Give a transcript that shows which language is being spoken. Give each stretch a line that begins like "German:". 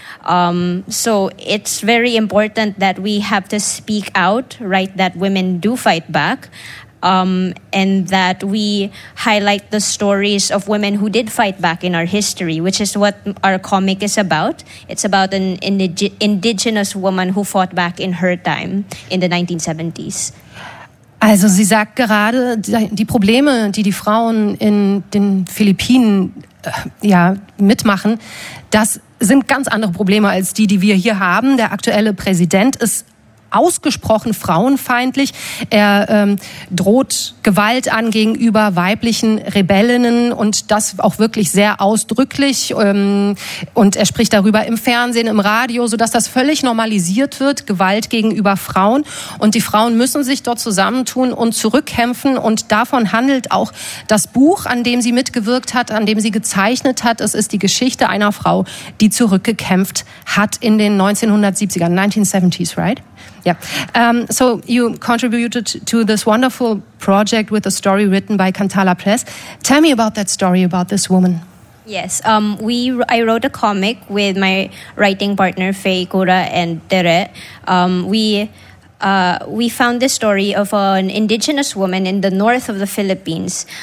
English: So it's very important that we have to speak out, right, that women do fight back. And that we highlight the stories of women who did fight back in our history, which is what our comic is about. It's about an indigenous woman who fought back in her time in the 1970s.
German: Also sie sagt gerade, die Probleme, die die Frauen in den Philippinen mitmachen, das sind ganz andere Probleme als die, die wir hier haben. Der aktuelle Präsident ist ausgesprochen frauenfeindlich. Er droht Gewalt an gegenüber weiblichen Rebellinnen, und das auch wirklich sehr ausdrücklich. Und er spricht darüber im Fernsehen, im Radio, sodass das völlig normalisiert wird, Gewalt gegenüber Frauen. Und die Frauen müssen sich dort zusammentun und zurückkämpfen. Und davon handelt auch das Buch, an dem sie mitgewirkt hat, an dem sie gezeichnet hat. Es ist die Geschichte einer Frau, die zurückgekämpft hat in den 1970ern.
English: 1970s, right? Yeah. So you contributed to this wonderful project with a story written by Kantala Press. Tell me about that story, about this woman. Yes. I wrote a comic with my writing partner Faye Kura and Tere. We found this story of an indigenous woman in the north of the Philippines.